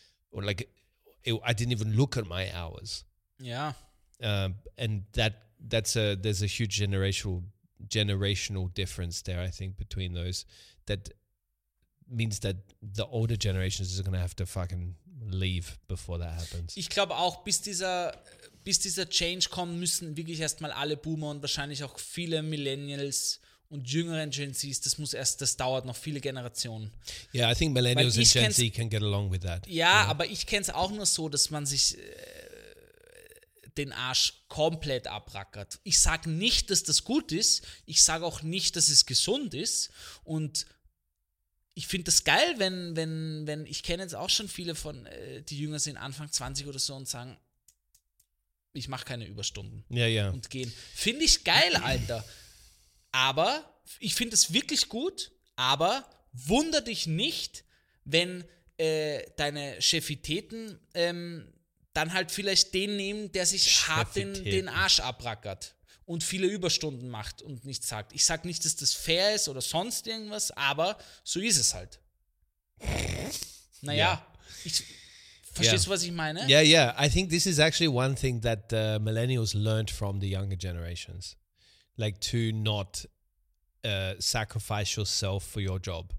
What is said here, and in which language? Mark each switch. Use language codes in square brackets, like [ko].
[en] Or like, I didn't even look at my hours. Yeah. And there's a huge generational difference there, I think, between those, that means that the older generations are going to have to fucking leave before that happens. [de] Ich glaube auch, bis dieser Change kommt, müssen wirklich erstmal alle Boomer und wahrscheinlich auch viele Millennials und jüngeren Gen Zs, das dauert noch viele Generationen. [en] Yeah, I think Millennials and Gen Z can get along with that. Ja, you know? [de] Aber ich kenne es auch nur so, dass man sich den Arsch komplett abrackert. Ich sage nicht, dass das gut ist. Ich sage auch nicht, dass es gesund ist. Und ich finde das geil, wenn ich kenne jetzt auch schon viele von, die jünger sind, Anfang 20 oder so, und sagen, ich mache keine Überstunden. Ja, ja. Und gehen. Finde ich geil, Alter. Aber, ich finde das wirklich gut, aber wunder dich nicht, wenn deine Chefitäten dann halt vielleicht den nehmen, der sich hart den Arsch abrackert und viele Überstunden macht und nichts sagt. Ich sag nicht, dass das fair ist oder sonst irgendwas, aber so ist es halt. Naja, verstehst du, was ich meine? [en] Yeah, yeah. I think this is actually one thing that the millennials learned from the younger generations. Like to not sacrifice yourself for your job.